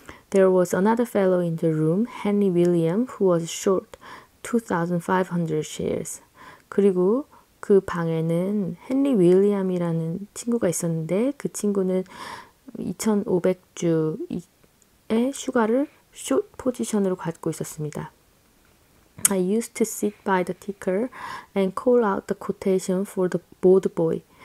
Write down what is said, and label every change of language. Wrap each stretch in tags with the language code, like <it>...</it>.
<en>There was another fellow in the room, Henry William, who was short 2,500 shares.</en> <ko>그리고 그 방에는 헨리 윌리엄이라는 친구가 있었는데 그 친구는 2,500주의 슈가를 숏 포지션으로 갖고 있었습니다.</ko> <en>I used to sit by the ticker and call out the quotation for the board boy.</en>